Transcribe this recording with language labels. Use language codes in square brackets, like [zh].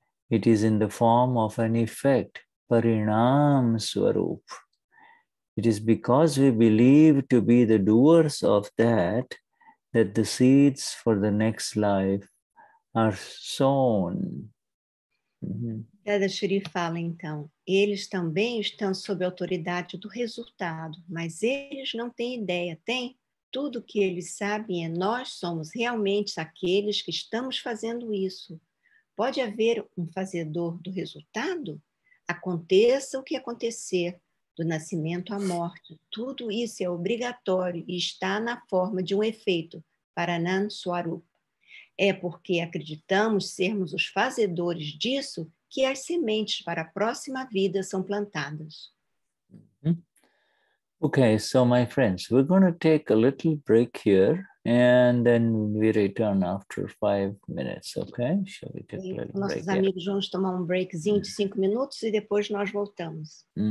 [en] It is in the form of an effect, parinaam swarup. It is because we believe to be the doers of that, that the seeds for the next life are sown. Mm-hmm. [pt] Dadashri fala, então, eles também estão sob a autoridade do resultado, mas eles não têm ideia, tem? Tudo que eles sabem é nós somos realmente aqueles que estamos fazendo isso. Pode haver um fazedor do resultado? Aconteça o que acontecer, do nascimento à morte. Tudo isso é obrigatório e está na forma de um efeito, parinaam swarupa. É porque acreditamos sermos os fazedores disso que as sementes para a próxima vida são plantadas. [en] Okay, so my friends, we're going to take a little break here and then we return after 5 minutes, okay? Shall we take a little break? [pt] Nossos amigos vão tomar um breakzinho de 5 minutos e depois nós voltamos.